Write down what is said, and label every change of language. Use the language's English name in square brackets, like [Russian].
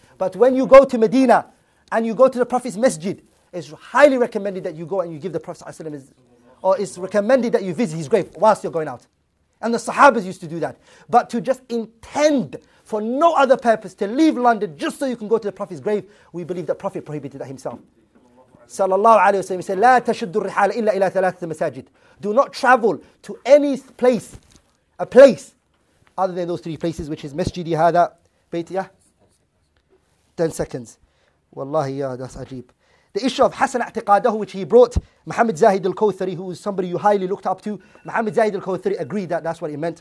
[English] But when you go to Medina and you go to the Prophet's masjid, it's highly recommended that you go and you give the Prophet sallallahu alayhi wa sallam, or it's recommended that you visit his grave whilst you're going out. And the Sahabas used to do that. But to just intend for no other purpose to leave London just so you can go to the Prophet's grave, we believe the Prophet prohibited that himself. [Arabic] Sallallahu alayhi wa sallam, [English] he said, [Arabic] لَا تَشُدُّ الرِّحَالَ إِلَّا إِلَى ثَلَاثَ مَسَاجِدٍ. [English] Do not travel to any place, a place, other than those three places, which is Masjid Hada, Bayt, yeah? 10 seconds. Wallahi, yeah, that's ajeeb. The issue of Hassan A'tiqadahu, which he brought, Muhammad Zahid al-Kawthari, who is somebody you highly looked up to, Muhammad Zahid al-Kawthari agreed that that's what he meant.